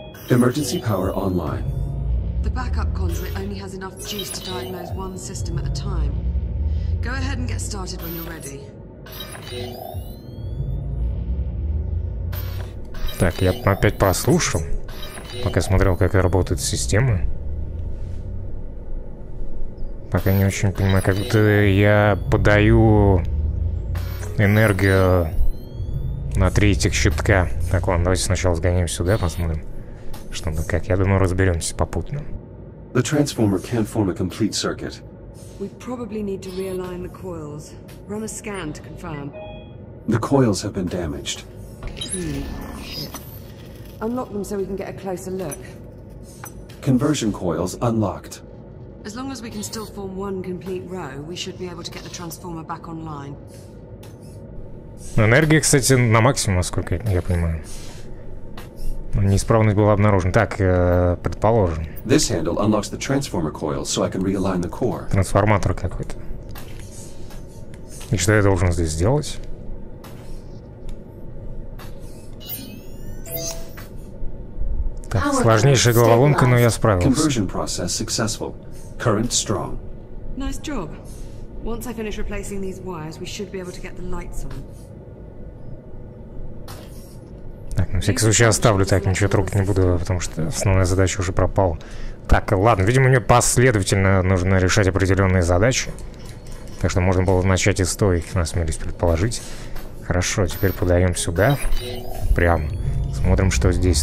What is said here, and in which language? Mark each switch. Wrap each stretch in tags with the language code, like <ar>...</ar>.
<en>Emergency power online. The backup conduit only has enough juice to diagnose one system at a time. Go ahead and get started when you're ready.</en> <ru>Так, я опять послушал, пока смотрел, как работает система. Пока не очень понимаю, как будто я подаю энергию на третьих щитка. Так, ладно, давайте сначала сгоняем сюда, посмотрим, что мы как. Я думаю, разберемся попутно.</ru> <en>The transformer can't form a complete circuit. We probably need to realign the coils. Run a scan to confirm. The coils have been damaged. Shit. Unlock them so we can get a closer look. Conversion coils unlocked. As long as we can still form one complete row, we should be able to get the transformer back online.</en> <ru>Энергия, кстати, на максимум, насколько я понимаю. Неисправность была обнаружена. Так, предположим.</ru> <en>This handle unlocks the transformer coils, so I can realign the core.</en> <ru>Трансформатор какой-то. И что я должен здесь сделать? Так, сложнейшая головоломка, но я справился.</ru> <en>Conversion process successful. Current strong. Nice job. Once I finish replacing these wires, we should be able to get the lights on.</en> <ru>Так, на всякий случай оставлю так, ничего трогать не буду, потому что основная задача уже пропала. Так, ладно, видимо, мне последовательно нужно решать определенные задачи. Так что можно было начать и с той, насмелись предположить. Хорошо, теперь подаем сюда. Прям. Смотрим, что здесь.</ru>